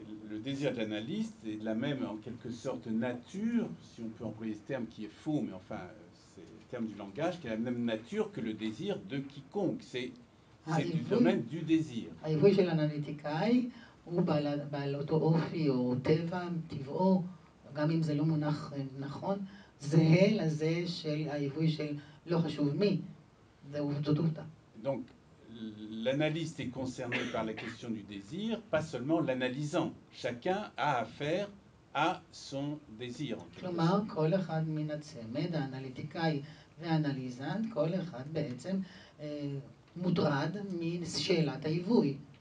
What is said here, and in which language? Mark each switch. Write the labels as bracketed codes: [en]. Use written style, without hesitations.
[fr] Le désir de l'analyste est de la même en quelque sorte nature, si on peut employer ce terme qui est faux, mais enfin c'est le terme du langage, qui est la même nature que le désir de quiconque. C'est du domaine du désir. [he] העיווי של האנליטיקאי הוא בעל, בעל אותו אופי או טבע, טבעו, גם אם זה לא מונח נכון, זהה לזה של העיווי של לא חשוב מי, זה עובדות אותה. [fr] Donc, l'analyste est concerné par la question du désir, pas seulement l'analysant. Chacun a affaire à son désir. [he] כלומר, כל אחד מן הצמד, האנליטיקאי והאנליזנט, כל אחד בעצם מוטרד משאלת העיווי.